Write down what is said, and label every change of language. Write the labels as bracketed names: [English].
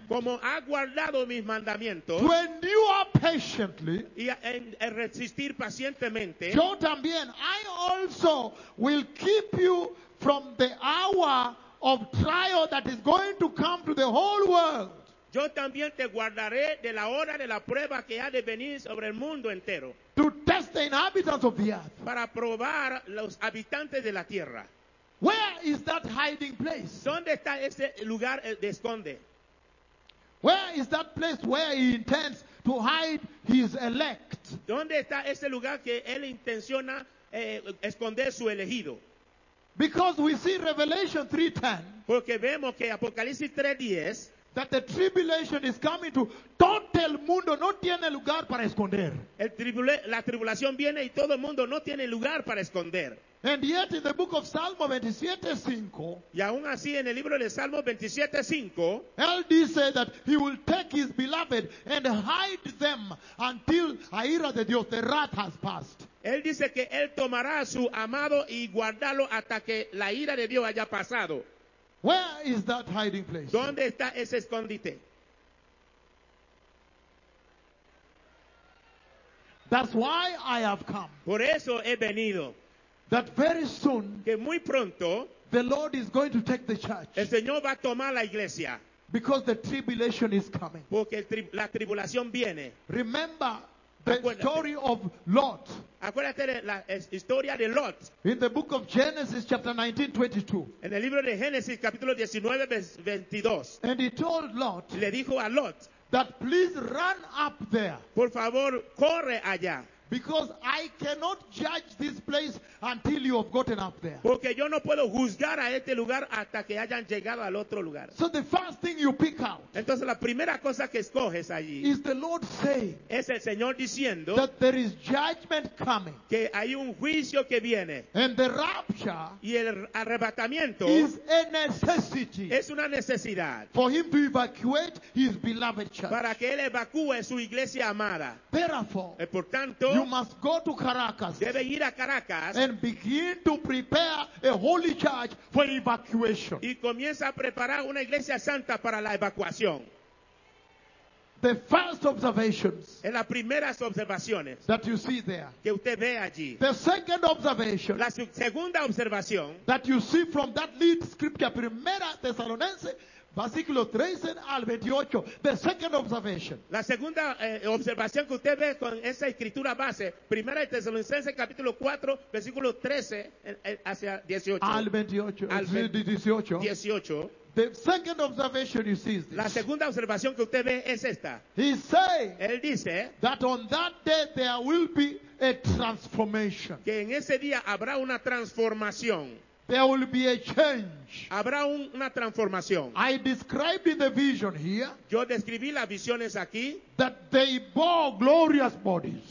[Spanish] como ha guardado mis mandamientos, [English] to endure patiently, [Spanish] y a resistir pacientemente, yo también, [English] I also will keep you from the hour of trial that is going to come to the whole world. [Spanish] Yo también te guardaré de la hora de la prueba que ha de venir sobre el mundo entero. [English] To test the inhabitants of the earth. [Spanish] Para probar los habitantes de la tierra. [English] Where is that hiding place? [Spanish] ¿Dónde está ese lugar de esconde? [English] Where is that place where he intends to hide his elect? [Spanish] ¿Dónde está ese lugar que él intenciona esconder su elegido? [English] Because we see Revelation 3:10. [Spanish] Porque vemos que Apocalipsis 3:10. [English] That the tribulation is coming to [Spanish] todo el mundo no tiene lugar para esconder. La tribulación viene y todo el mundo no tiene lugar para esconder. [English] And yet in the book of Salmo 27:5. [Spanish] Y aún así en el libro de Salmo 27:5. Él dice [English] that he will take his beloved and hide them until [Spanish] a ira de Dios, [English] the wrath has passed. [Spanish] Él dice que él tomará a su amado y guardarlo hasta que la ira de Dios haya pasado. [English] Where is that hiding place? [Spanish] ¿Dónde está ese escondite? [English] That's why I have come. [Spanish] Por eso he venido. [English] That very soon, [Spanish] que muy pronto, [English] the Lord is going to take the church. [Spanish] El Señor va a tomar la iglesia. [English] Because the tribulation is coming. [Spanish] Porque la tribulación viene. [English] Remember the story of Lot. [Spanish] Acuérdate de la historia de Lot. [English] In the book of Genesis, chapter 19, 22. [Spanish] En el libro de Génesis, capítulo 19, 22. [English] And he told Lot. [Spanish] Le dijo a Lot. [English] That please run up there. [Spanish] Por favor, corre allá. [English] Because I cannot judge this place until you have gotten up there. [Spanish] Porque yo no puedo juzgar a este lugar hasta que hayan llegado al otro lugar. [English] So the first thing you pick out. [Spanish] Entonces la primera cosa que escoges allí. [English] Is the Lord saying. [Spanish] Es el Señor diciendo. [English] That there is judgment coming. [Spanish] Que hay un juicio que viene. [English] And the rapture. [Spanish] Y el arrebatamiento. [English] Is a necessity. [Spanish] Es una necesidad. [English] For him to evacuate his beloved church. [Spanish] Para que él evacúe su iglesia amada. [English] Therefore. [Spanish] Por tanto. [English] You must go to Caracas. [Spanish] Debe ir a Caracas. [English] And begin to prepare a holy church for evacuation. [Spanish] Y comienza a preparar una iglesia santa para la evacuación. [English] The first observations. [Spanish] En las primeras observaciones. [English] That you see there. [Spanish] Que usted ve allí. [English] The second observation. [Spanish] La segunda observación. [English] That you see from that lead scripture, Primera Tesalonense. [Spanish] Versículo 13 al 28. [English] The second observation. [Spanish] La segunda observación que usted ve con esa escritura base, Primera de Tesalonicenses capítulo 4, versículo 13 hacia 18. Al 28. Al 18. 18. [English] The second observation you see is this. [Spanish] La segunda observación que usted ve es esta. [English] He say, [Spanish] él dice, [English] that on that day there will be a transformation. [Spanish] Que en ese día habrá una transformación. [English] There will be a change. [Spanish] Habrá una transformación. [English] I described in the vision here. [Spanish] Yo describí las visiones aquí. [English] That they bore glorious bodies.